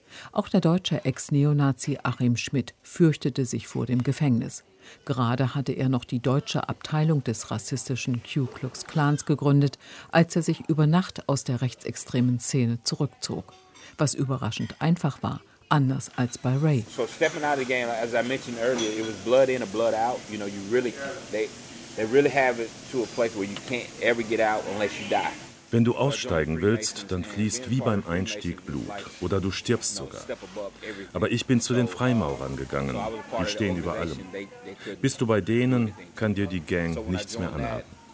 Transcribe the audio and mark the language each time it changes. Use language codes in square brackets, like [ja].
[de] Auch der deutsche Ex-Neonazi Achim Schmidt fürchtete sich vor dem Gefängnis. Gerade hatte er noch die deutsche Abteilung des rassistischen Ku Klux Klans gegründet, als er sich über Nacht aus der rechtsextremen Szene zurückzog. Was überraschend einfach war, anders als bei Ray. [en] So stepping out of the game, as I mentioned earlier, it was blood in and blood out. You know, you really, they really have it to a place where you can't ever get out unless you die. [de] Wenn du aussteigen willst, dann fließt wie beim Einstieg Blut oder du stirbst sogar. Aber ich bin zu den Freimaurern gegangen. Die stehen über allem. Bist du bei denen, kann dir die Gang nichts mehr anhaben.